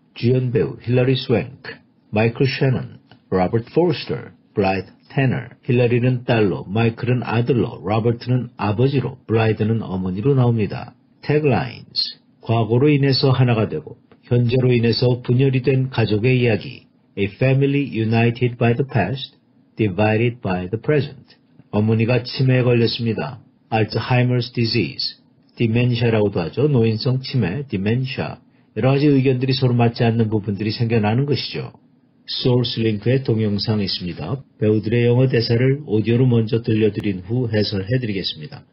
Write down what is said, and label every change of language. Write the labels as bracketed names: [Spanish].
[Korean] 주연 배우 힐러리 스웽크, 마이클 셰넌, 로버트 포스터, 블라이드 테너. 힐러리는 딸로, 마이클은 아들로, 로버트는 아버지로, 블라이드는 어머니로 나옵니다. 태그라인스. 과거로 인해서 하나가 되고, 현재로 인해서 분열이 된 가족의 이야기. [English] A family united by the past, divided by the present. [Korean] 어머니가 치매에 걸렸습니다. [English] Alzheimer's disease. 디멘샤라고도 하죠. 노인성 치매, 디멘샤. [Korean] 여러 가지 의견들이 서로 맞지 않는 부분들이 생겨나는 것이죠. 소울링크에 동영상이 있습니다. 배우들의 영어 대사를 오디오로 먼저 들려드린 후 해설해드리겠습니다.